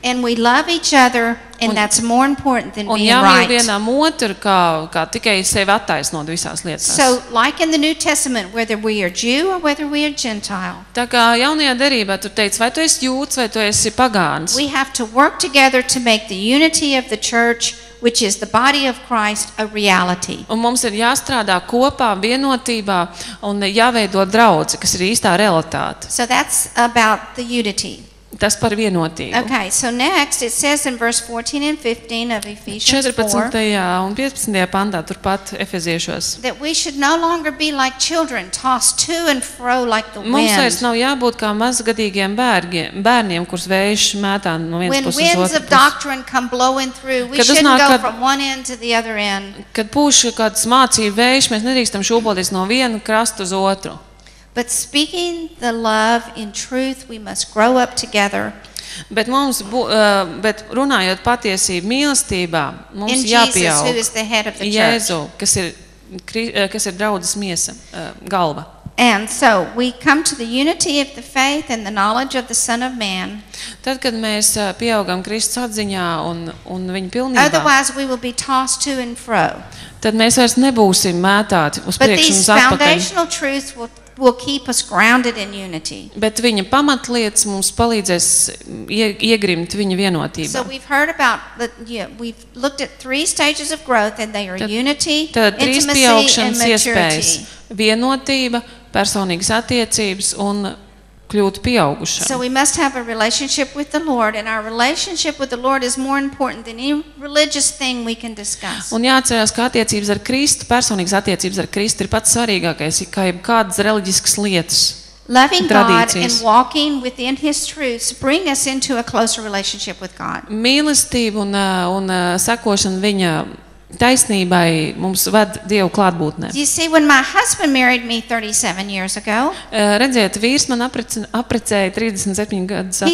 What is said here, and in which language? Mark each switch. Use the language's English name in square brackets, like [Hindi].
[English] And we love each other and that's more important than being right. [Latvian] Un jāmīl vienam otru kā tikai sevi attaisnot visās lietās. [English] So like in the New Testament whether we are Jew or whether we are Gentile. [Latvian] Tā kā jaunajā derībā tur teic, vai tu esi jūds vai tu esi pagāns. [English] We have to work together to make the unity of the church, which is the body of Christ, a reality. [Latvian] Un mums ir jāstrādā kopā vienotībā un jāveido draudze, kas ir īstā realitāte. [English] So that's about the unity. [Latvian] Tas par vienotību. [English] Okay, so next it says in verse 14 and 15 of Ephesians 4. [Latvian] 14. un 15. pantā turpat Efeziešos. [English] That we should no longer be like children tossed to and fro like the wind. [Latvian] Mums vairs nav jābūt kā mazgadīgiem bērniem, kurus vējš mētā no vienas puses uz otru. [English] When winds of doctrine come blowing through, we shouldn't go from one end to the other end. [Latvian] Kad pūš kāds mācību vējš, mēs nedrīkstam šūpoties no viena krasta uz otru. [English] But speaking the love in truth, we must grow up together. [Latvian] Bet mums bet runājot patiesību mīlestībā, mums jāpieaug. Jēzu, kas ir draudzes miesa galva. [English] And so we come to the unity of the faith and the knowledge of the Son of Man. [Latvian] Tad, kad mēs pieaugam Kristus atziņā un viņa pilnībā, [English] otherwise we will be tossed to and fro. [Latvian] Tad mēs vairs nebūsim mētāti uz priekšu un atpakaļ. [English] Foundational truths will keep us grounded in unity. [Latvian] Bet viņa pamatlietas mums palīdzēs iegrimt viņa vienotībā. [English] So we've heard about the, we've looked at three stages of growth and they are unity, intimacy and maturity. [Latvian] Iespējas. Vienotība, personīgas attiecības un kļūt pieaugušam. [English] So we must have a relationship with the Lord and our relationship with the Lord is more important than any religious thing we can discuss. [Latvian] Un jāatcerās, ka attiecības ar Kristu, personīgas attiecības ar Kristu ir pats svarīgākais, kā jebkādas reliģiskas lietas. [English] Loving God and walking within his truths bring us into a closer relationship with God. [Latvian] Mīlestība un sekošana viņa taisnībai mums ved Dievu klātbūtnē. [English] You see, when my husband married me 37 years ago, [Latvian] redziet, vīrs man aprecēja 37 gadus atpakaļ.